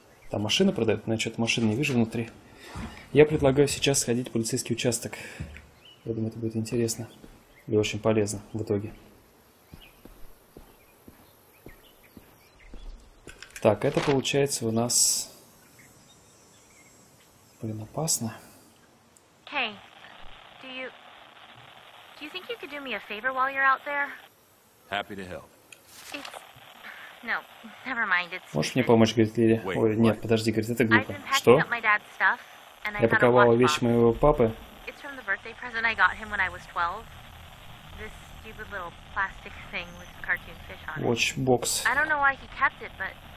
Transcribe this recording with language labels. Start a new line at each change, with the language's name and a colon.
Russian: Там машины продают, но я что-то машины не вижу внутри. Я предлагаю сейчас сходить в полицейский участок. Я думаю, это будет интересно. И очень полезно в итоге. Так, это получается у нас... Блин, опасно.
English: Hey, do you think you could do me a favor while you're out there? Happy to help. It's... No, never mind, it's...
Russian: Можешь мне помочь, говорит Лили? Ой, нет,
English: what?
Russian: Подожди, говорит, это глупо. Что? Stuff, я паковала вещи моего папы.
English: It's from the birthday present I got him when I was 12. This stupid little plastic thing with the cartoon fish on it. Watchbox. I don't know why he kept it, but...